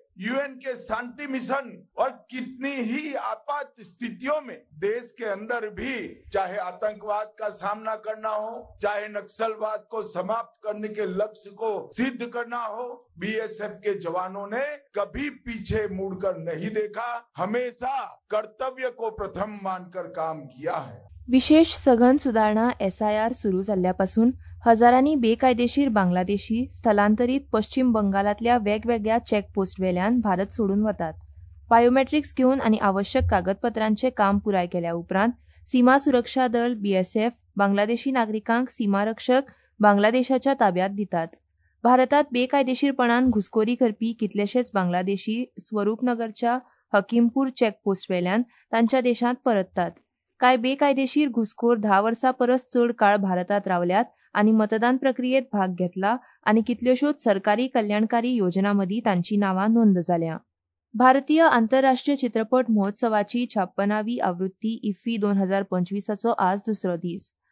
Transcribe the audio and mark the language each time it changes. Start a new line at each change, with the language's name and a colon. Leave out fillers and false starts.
Hindi: UN के शांति mission और कितनी ही आपात स्थितियों में देश के अंदर भी, चाहे आतंकवाद का सामना करना हो, चाहे नक्सलवाद को समाप्त करने के लक्ष्य को सिद्ध करना हो, बीएसएफ के जवानों ने कभी पीछे मुड़कर नहीं देखा, हमेशा कर्तव्य को प्रथम मानकर काम किया है.
Konkani: विशेष सघन सुधारणा एसआयआर सुरू झाल्यापासून हजारांनी बेकायदेशीर बांगलादेशी स्थलांतरीत पश्चिम बंगालातल्या वेगवेगळ्या चेकपोस्ट वेल्यान भारत सोडून वतात. बायोमेट्रिक्स घेऊन आनी आवश्यक कागदपत्रांचे काम पुराय केल्या उपरांत सीमा सुरक्षा दल बीएसएफ बांगलादेशी नागरिकांक सीमारक्षक बांगलादेशाच्या ताब्यात दितात. भारतात बेकायदेशीरपणान घुसखोरी करपी कितलेशेच बांगलादेशी स्वरूपनगरच्या हकीमपूर चेकपोस्ट वेल्यान तांच्या देशांत परततात. काय बेकायदेशीर घुसखोर 10 वर्सां परस चड काळ भारतात रावल्यात आनी मतदान प्रक्रियेत भाग घेतला आनी कितल्योश्योच सरकारी कल्याणकारी योजना मदीं तांची नावां नोंद जाल्या. भारतीय आंतरराष्ट्रीय चित्रपट महोत्सवाची 56वी आवृत्ती इफ्फी 2025 आज दुसरो दीस.